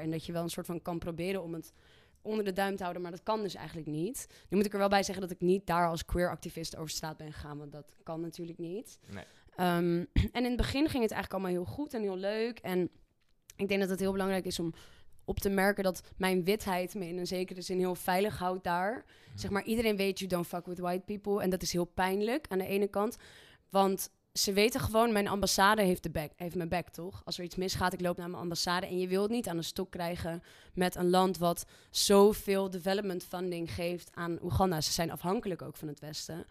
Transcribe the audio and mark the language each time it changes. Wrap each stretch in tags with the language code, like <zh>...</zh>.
<nl>En dat je wel een soort van kan proberen om het onder de duim te houden, maar dat kan dus eigenlijk niet. Nu moet ik er wel bij zeggen dat ik niet daar als queer activist over straat ben gegaan, want dat kan natuurlijk niet. Nee. En in het begin ging het eigenlijk allemaal heel goed en heel leuk. En ik denk dat het heel belangrijk is om op te merken dat mijn witheid me in een zekere zin heel veilig houdt daar. Zeg maar, iedereen weet,</nl> <en>you don't fuck with white people.</en> <nl>En dat is heel pijnlijk aan de ene kant, want... ze weten gewoon, mijn ambassade heeft mijn back, toch? Als er iets misgaat, ik loop naar mijn ambassade. En je wilt niet aan de stok krijgen met een land wat zoveel development funding geeft aan Oeganda. Ze zijn afhankelijk ook van het Westen.</nl>